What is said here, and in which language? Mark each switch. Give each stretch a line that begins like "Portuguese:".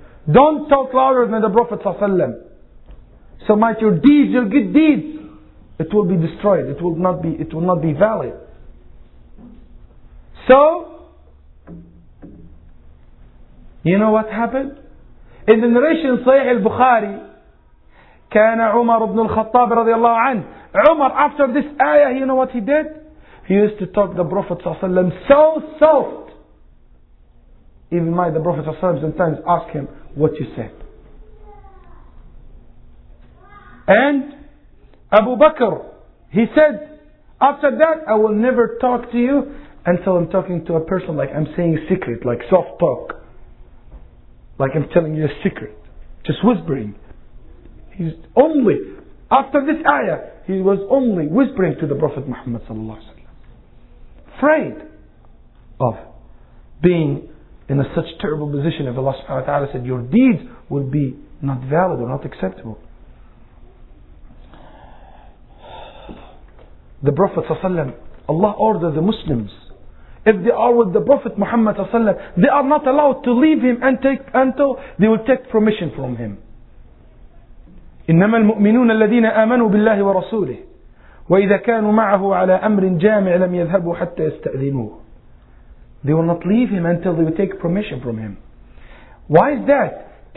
English: Don't talk louder than the Prophet صلى الله عليه وسلم. So might your deeds, your good deeds, it will be destroyed. It will not be valid. So, you know what happened? In the narration Sahih al-Bukhari,
Arabic: كان عمر بن الخطاب رضي الله عنه.
English: Umar, after this ayah, you know what he did? He used to talk the Prophet صلى الله عليه وسلم so soft. Even my, the Prophet ﷺ sometimes ask him, what you said? And Abu Bakr, he said, after that, I will never talk to you until I'm talking to a person like I'm saying a secret, like soft talk. Like I'm telling you a secret. Just whispering. He's only, after this ayah, he was only whispering to the Prophet Muhammad ﷺ. Afraid of being in a such terrible position if Allah subhanahu wa ta'ala said your deeds will be not valid or not acceptable. The Prophet sallallahu alaihi wasallam, Allah ordered the Muslims, if they are with the Prophet Muhammad sallallahu alaihi wasallam, they are not allowed to leave him until they will take permission from him.
Arabic: إنما المؤمنون الذين آمنوا بالله ورسوله وإذا كانوا معه على أمر جامع لم يذهبوا حتى يستأذنوه.
English: They will not leave him until they will take permission from him. Why is that?